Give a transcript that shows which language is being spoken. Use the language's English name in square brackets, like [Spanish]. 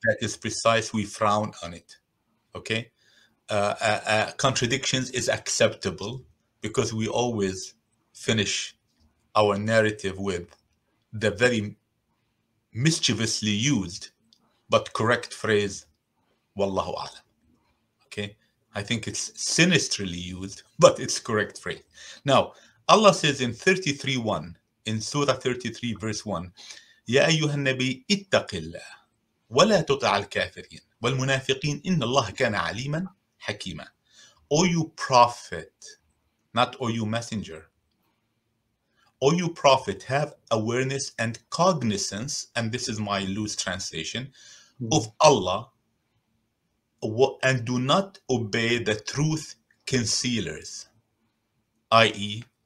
[English] that is precise, we frown on it. Okay, contradictions is acceptable because we always finish our narrative with the very mischievously used but correct phrase. Wallahu alam. Okay, I think it's sinisterly used, but it's correct phrase. Now, Allah says in 33:1, in Surah 33, verse 1, [Arabic] يَا أَيُّهَا النَّبِيُّ اِتَّقِ اللَّهِ وَلَا تُطَعَ الْكَافِرِينَ وَالْمُنَافِقِينَ إِنَّ اللَّهَ كَانَ عَلِيمًا حَكِيمًا. [English] O you prophet, not O you messenger, O you prophet, have awareness and cognizance, and this is my loose translation, of Allah, and do not obey the truth concealers, i.e.